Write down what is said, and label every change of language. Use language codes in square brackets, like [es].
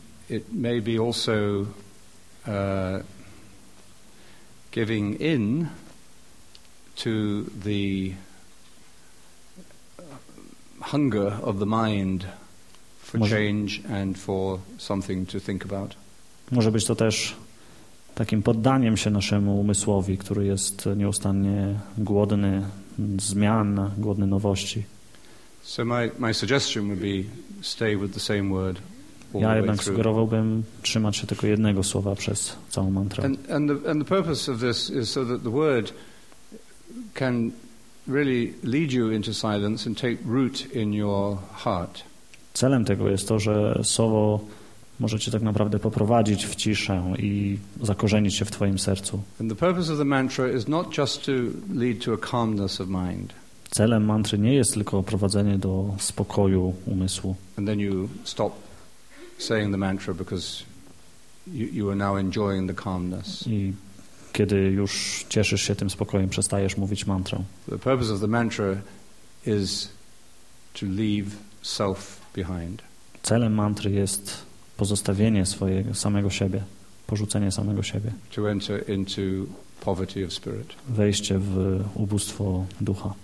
[en] It may be also giving in to the hunger of the mind for change and for something to think about. [pl] Może być to też takim poddaniem się naszemu umysłowi, który jest nieustannie głodny zmian, głodny nowości. [en] So my suggestion would be stay with the same word. [pl] Ja jednak sugerowałbym trzymać się tylko jednego słowa przez całą mantrę. [en] And the purpose of this is so that the word can really lead you into silence and take root in your heart. [pl] Celem tego jest to, że słowo może cię tak naprawdę poprowadzić w ciszę i zakorzenić się w twoim sercu. [en] And the purpose of the mantra is not just to lead to a calmness of mind. [pl] Celem mantry nie jest tylko prowadzenie do spokoju umysłu. [en] And then you stop saying the mantra because you are now enjoying the calmness. [pl] I kiedy już cieszysz się tym spokojem, przestajesz mówić mantrę. [en] The purpose of the mantra is to leave self behind. [pl] Celem mantry jest pozostawienie swojego samego siebie, porzucenie samego siebie. [en] To enter into poverty of spirit. [pl] Wejście w ubóstwo ducha.